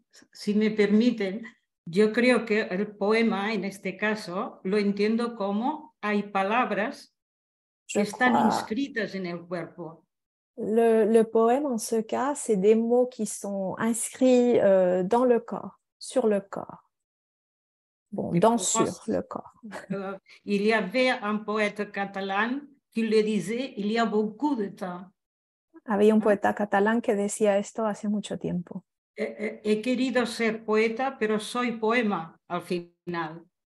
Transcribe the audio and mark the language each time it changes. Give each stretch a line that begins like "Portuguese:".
Spanish: Si me permiten, yo creo que el poema en este caso lo entiendo como hay palabras que están inscritas en el cuerpo.
French: Le poème en ce cas, c'est des mots qui sont inscrits dans le corps, sur le corps. Bon, sur le corps. Il y avait un poète catalan qui le disait il y a beaucoup de temps.
Spanish: Había un poeta catalán que decía esto hace mucho tiempo. He querido ser poeta, pero soy poema al final.